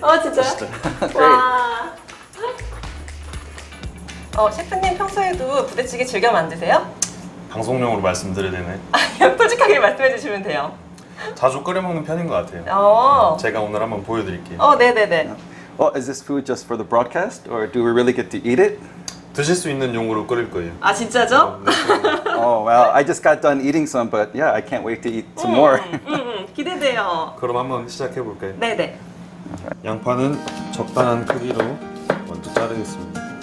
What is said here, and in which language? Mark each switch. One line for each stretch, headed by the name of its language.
Korean: 어, 진짜요? 와. 셰프님 평소에도 부대찌개 즐겨 만드세요? 방송용으로 말씀드려야 되네. 솔직하게 말씀해 주시면 돼요. 자주 끓여 먹는 편인 것 같아요. 제가 오늘 한번 보여드릴게요. 네네네.
English: Well, is this food just for the broadcast, or do we really get to eat it?
Korean: 드실 수 있는 용으로 끓일 거예요. 아 진짜죠?
English: Oh well, I just got done eating some, but yeah, I can't wait to eat some more.
Korean: 기대돼요. 그럼 한번 시작해 볼까요? 네네. 양파는 적당한 크기로 먼저 자르겠습니다.